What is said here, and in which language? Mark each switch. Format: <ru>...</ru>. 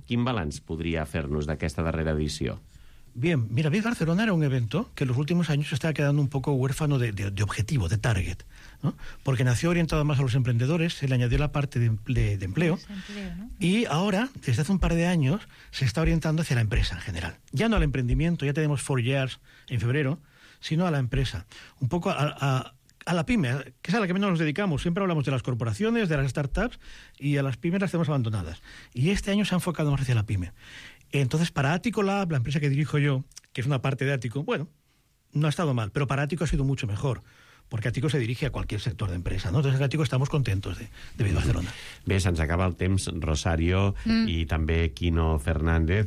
<ca>Quin balanç podria fer-nos d'aquesta darrera edició?</ca> <es>Bien, mira, BIS Barcelona era un evento que en los últimos años estaba quedando un poco huérfano de objetivo, de target, ¿no? Porque nació orientado más a los emprendedores, se le añadió la parte de empleo, ¿no? Y ahora, desde hace un par de años, se está orientando hacia la empresa en general. Ya no al emprendimiento, ya tenemos 4 years en febrero, sino a la empresa. Un poco a la pyme, que es a la que menos nos dedicamos. Siempre hablamos de las corporaciones, de las startups, y a las pymes las tenemos abandonadas. Y este año se ha enfocado más hacia la pyme. Entonces, para Atico Lab, la empresa que dirijo yo, que es una parte de Atico, bueno, no ha estado mal, pero para Atico ha sido mucho mejor. Porque Atico se dirige a cualquier sector de empresa, ¿no? Entonces, Atico estamos contentos de venir a Barcelona.</es> <ca>Bé, se'ns acaba el temps, Rosario, i també Quino Fernández.</ca>